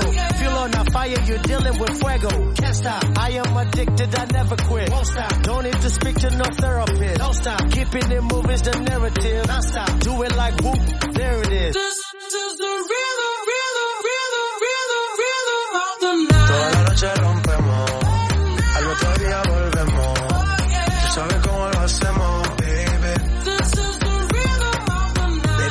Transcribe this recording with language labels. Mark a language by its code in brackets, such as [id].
[en] Fuel on a fire, you're dealing with fuego. Can't stop, I am addicted, I never quit. Won't stop, don't need to speak to no therapist. Don't stop, keeping it moving's the narrative. Don't stop, do it like whoop, there it is. This is the rhythm, rhythm of the night. [es] Toda la noche rompemos, al otro día volvemos. [en] Oh, yeah. [es] Tú sabes cómo lo hacemos. [en] This is the rhythm of the night.